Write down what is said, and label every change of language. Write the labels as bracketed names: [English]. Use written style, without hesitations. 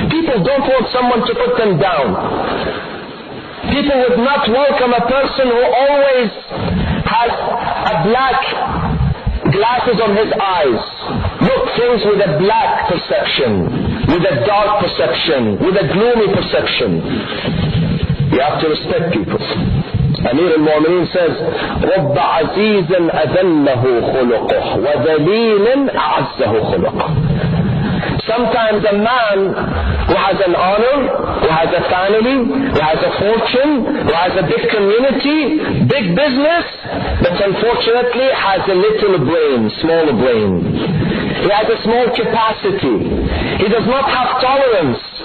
[English] People don't want someone to put them down. People would not welcome a person who always has a black glasses on his eyes. Look things with a black perception, with a dark perception, with a gloomy perception. You have to respect people. Amir al-Mu'mineen says, [Arabic] رب عزيز أذله خلقه وذليل أعزه خلقه. [English] Sometimes a man who has an honor, who has a family, who has a fortune, who has a big community, big business, but unfortunately has a little brain, small brain. He has just a small capacity. He does not have tolerance.